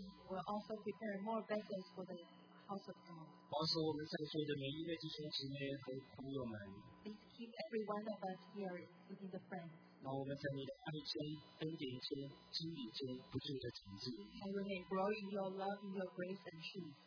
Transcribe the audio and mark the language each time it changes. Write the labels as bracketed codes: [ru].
[en] We're also preparing more vessels for the house of God. [zh] 保守我们在座的每一位弟兄姊妹和朋友们。 [en] Please keep every one of us here, including the friends. [zh] 让我们在你的爱中、恩典中、真理中不住的长进。 [en] And we may grow in your love, in your grace and truth.